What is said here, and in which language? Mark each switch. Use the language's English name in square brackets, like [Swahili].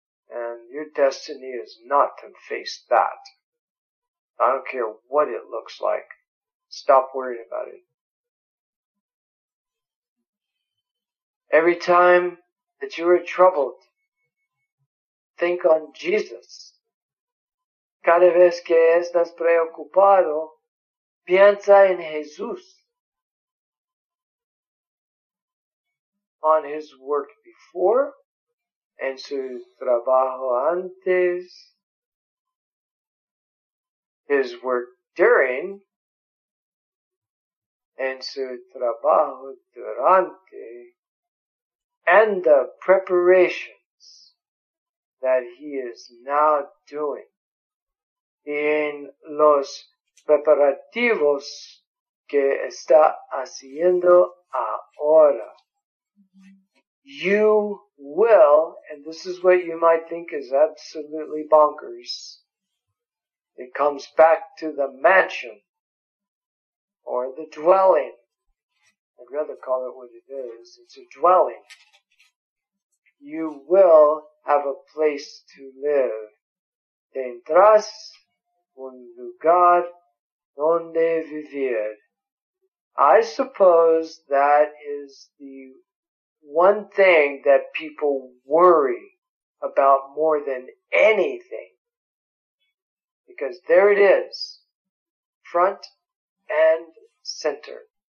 [English] And your destiny is not to face that. I don't care what it looks like. Stop worrying about it. Every time that you are troubled, think on Jesus. [Spanish] Cada vez que estás preocupado, piensa en Jesús. [English] On his work before, [Spanish] en su trabajo antes, [English] his work during, [Spanish] en su trabajo durante, [English] and the preparations that he is now doing, [Spanish] en los preparativos que está haciendo ahora. [English] You will, and this is what you might think is absolutely bonkers, it comes back to the mansion or the dwelling. I'd rather call it what it is. It's a dwelling. You will have a place to live. [Spanish] Tendrás un lugar donde vivir. [English] I suppose that is the one thing that people worry about more than anything. Because there it is, front and center.